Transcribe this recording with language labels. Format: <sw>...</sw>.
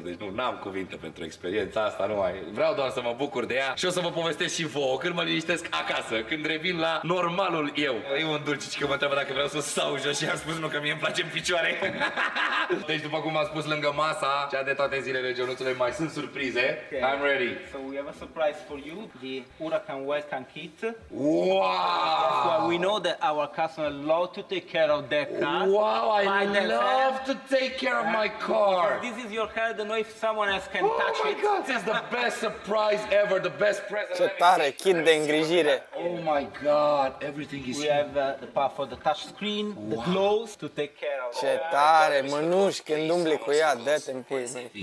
<ro>Deci nu, n-am cuvinte pentru experiența asta. Nu mai... Vreau doar să mă bucur de ea și o să vă povestesc și vouă când mă liniștesc acasă, când revin la normalul eu. E un dulcici că mă întreabă dacă vreau să stau jos și am spus nu, că mie îmi place în picioare. Deci după cum am spus, lângă masa, cea de toate zilele, Jonuțule, mai sunt surprize.</ro> <en>Okay. I'm ready. So we have a surprise for you, the Huracan Welcome Kit. Wow! That's why we know that our customers love to take care of their cars. Wow, I love to take care of my car. Because this is your car, I don't know if someone else can touch it. Oh my god, this is the best surprise ever, the best present.</en> <ro>Ce tare, kit de îngrijire.</ro> <en>Oh my god, everything is here. We have the part for the touch screen, the gloves to take care of.</en> <ro>Ce tare, mănuși, când umbli cu ea, dă-te-mi pui.</ro>